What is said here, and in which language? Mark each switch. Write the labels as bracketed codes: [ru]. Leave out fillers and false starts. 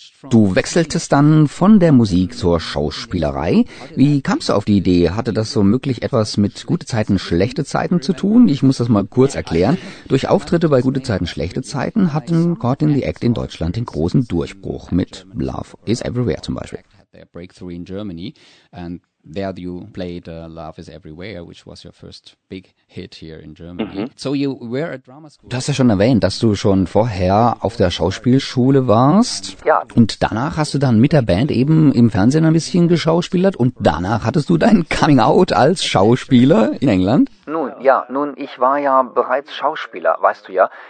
[de] Du wechseltest dann von der Musik zur Schauspielerei. Wie kamst du auf die Idee? Hatte das womöglich etwas mit Gute Zeiten, Schlechte Zeiten zu tun? Ich muss das mal kurz erklären. Durch Auftritte bei Gute Zeiten, Schlechte Zeiten hatten Caught in the Act in Deutschland den großen Durchbruch mit Love is Everywhere zum Beispiel. [en] Their breakthrough in Germany, and there you played Love is Everywhere, which was your first big hit here in Germany. So you were at drama school. [de] Du hast ja schon erwähnt, dass du schon vorher auf der Schauspielschule warst. Ja. Und danach hast du dann mit der Band eben im Fernsehen ein bisschen geschauspielert und danach hattest du dein Coming Out als Schauspieler in England. Nun, ich war ja bereits Schauspieler, weißt du ja.